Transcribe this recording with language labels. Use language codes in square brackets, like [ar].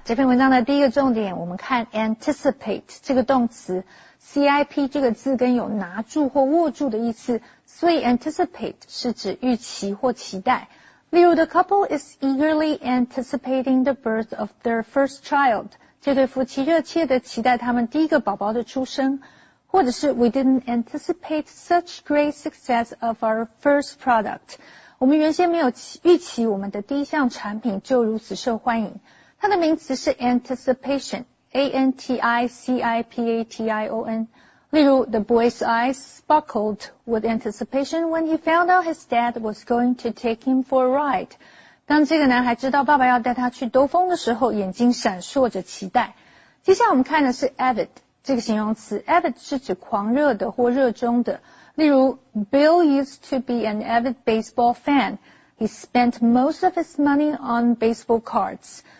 [zh] 这篇文章的第一个重点，我们看 anticipate 这个动词 ,CIP 这个字跟有拿住或握住的意思，所以 anticipate 是指预期或期待。例如 [en] ,the couple is eagerly anticipating the birth of their first child. [zh] 这对夫妻热切地期待他们第一个宝宝的出生。或者是 [en] ,we didn't anticipate such great success of our first product. [zh] 我们原先没有预期我们的第一项产品就如此受欢迎。它的名词是 anticipation, A-N-T-I-C-I-P-A-T-I-O-N. 例如 [en] ,the boy's eyes sparkled with anticipation when he found out his dad was going to take him for a ride. [zh] 当这个男孩知道爸爸要带他去兜风的时候眼睛闪烁着期待。接下来我们看的是 avid, 这个形容词 ,avid 是指狂热的或热衷的。例如 [en] ,Bill used to be an avid baseball fan. He spent most of his money on baseball cards.